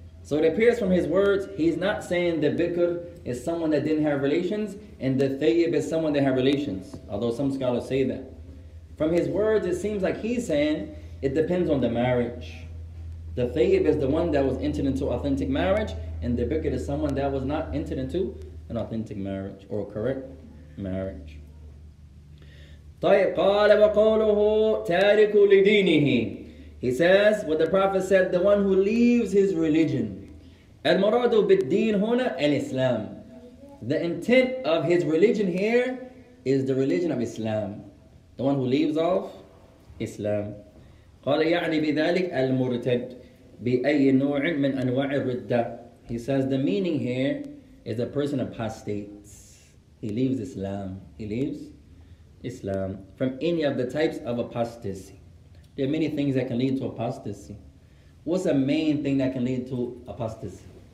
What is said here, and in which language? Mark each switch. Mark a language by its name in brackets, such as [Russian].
[English] So it appears from his words, he's not saying the bikr is someone that didn't have relations and the thayyib is someone that had relations, although some scholars say that. From his words, it seems like he's saying it depends on the marriage. The thayyib is the one that was entered into authentic marriage and the bikr is someone that was not entered into an authentic marriage or a correct marriage. [Arabic] طيب قال وقوله تارك لدينه. [English] He says, what the Prophet said, the one who leaves his religion. [Arabic] المراد بالدين هنا الإسلام. [English] The intent of his religion here is the religion of Islam. The one who leaves off Islam. [Arabic] قال يعني بذلك المرتد بأي نوع من أنواع الردة. [English] He says, the meaning here is a person apostates. He leaves Islam. He leaves Islam from any of the types of apostasy. There are many things that can lead to apostasy. What's the main thing that can lead to apostasy?